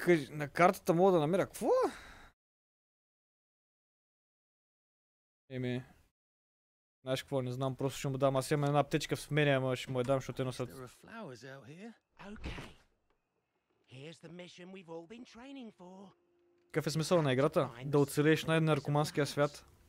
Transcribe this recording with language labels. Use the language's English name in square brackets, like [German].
[Bulgarian] На картата мога да намеря какво? Еми. Знаеш какво, не знам, просто ще му дам. Аз имам една аптечка в мене, ама ще му я дам, защото едно сърце. [English] There are flowers out here. Okay. Here's the mission we've all been training for. [Bulgarian] Какъв е смисъл на играта? Да оцелееш най-наркоманския свят.